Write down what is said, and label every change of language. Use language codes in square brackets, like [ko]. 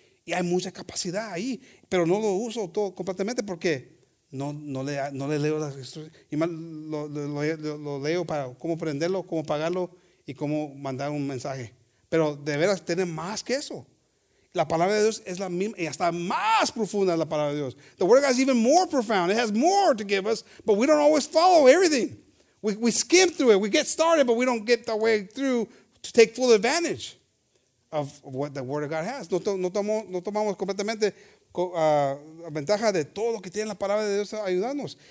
[es] Y hay mucha capacidad ahí. Pero no lo uso todo completamente porque no le leo las instrucciones. Y más lo leo para cómo prenderlo, cómo pagarlo y cómo mandar un mensaje. Pero de veras tiene más que eso. La palabra de Dios es la misma, y hasta más profunda la palabra de Dios. [en] The word of God is even more profound. It has more to give us, but we don't always follow everything. We skim through it. We get started, but we don't get the way through to take full advantage of what the word of God has. [es] No tomamos completamente ventaja de todo lo que tiene la palabra de Dios a ayudarnos.